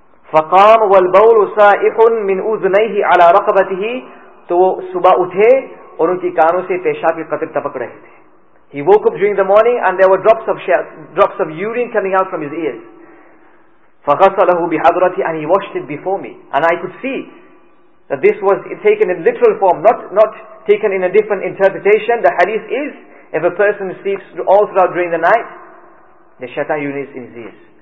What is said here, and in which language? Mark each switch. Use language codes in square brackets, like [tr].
[ar] فقام والبول سائق من اذنيه على رقبته. [ur] تو وہ صبح اٹھے اور ان کی کانوں سے پیشاب کے قطرے ٹپک رہے تھے. [en] He woke up during the morning and there were drops of urine coming out from his ears. [ar] فغسله بحضرتي, [en] and he washed it before me, and I could see that this was taken in literal form, not taken in a different interpretation. The hadith is, if a person sleeps all throughout during the night, the shaitan urinates in his ears.